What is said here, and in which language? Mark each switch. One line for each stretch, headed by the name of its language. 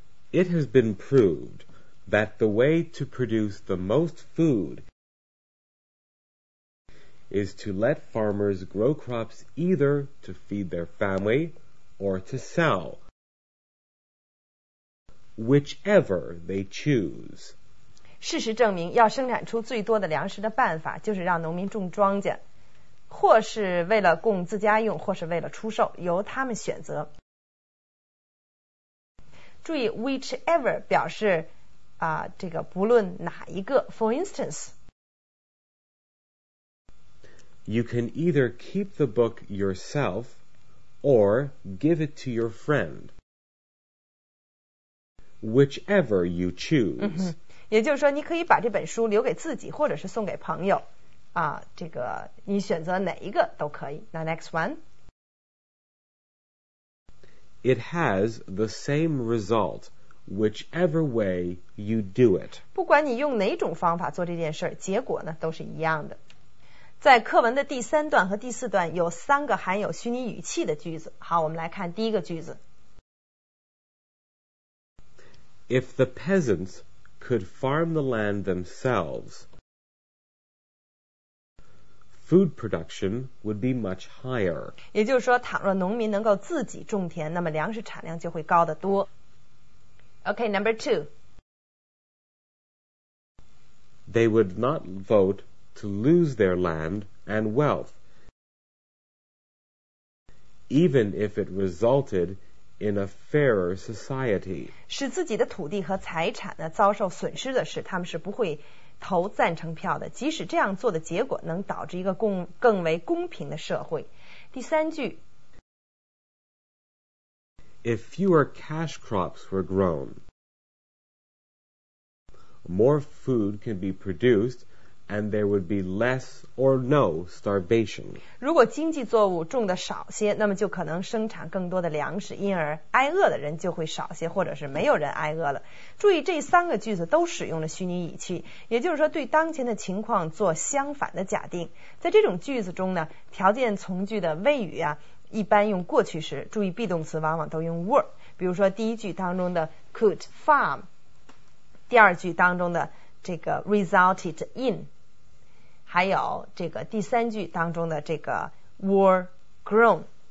English: It has been proved that the way to produce the most food is to let farmers grow crops either to feed their family or to sell, whichever they choose.
Chinese: 事实证明，要生产出最多的粮食的办法就是让农民种庄稼，或是为了供自家用，或是为了出售，由他们选择。注意 whichever 表示啊，这个不论哪一个。
English: For instance, you can either keep the book yourself or give it to your friend. Whichever you choose.、
Chinese: 也就是说，你可以把这本书留给自己，或者是送给朋友。啊，这个你选择哪一个都可以。
English: Now next one. It has the same result, whichever way you do it.
Chinese: 不管你用哪种方法做这件事，结果呢都是一样的。在课文的第三段和第四段有三个含有虚拟语气的句子。好，我们来看第一个句子。
English: If the peasants could farm the land themselves, food production would be much higher.
Chinese: 也就是说，倘若农民能够自己种田，那么粮食产量就会高得多。
English: OK, number two. They would not vote to lose their land and wealth, even if it resulted in a fairer society.
Chinese: 使自己的土地和财产呢遭受损失的事，他们是不会投赞成票的，即使这样做的结果能导致一个更为公平的社会。第三句，
English: If fewer cash crops were grown, more food can be produced and there would be less or no starvation.
Chinese: 如果经济作物种的少些，那么就可能生产更多的粮食，因而挨饿的人就会少些，或者是没有人挨饿了。注意这三个句子都使用了虚拟语气，也就是说对当前的情况做相反的假定。在这种句子中呢，条件从句的谓语啊一般用过去时，注意 be 动词往往都用 were， 比如说第一句当中的
English: could farm，
Chinese: 第二句当中的这个
English: resulted in，
Chinese: 还有这个第三句当中的这个
English: were grown。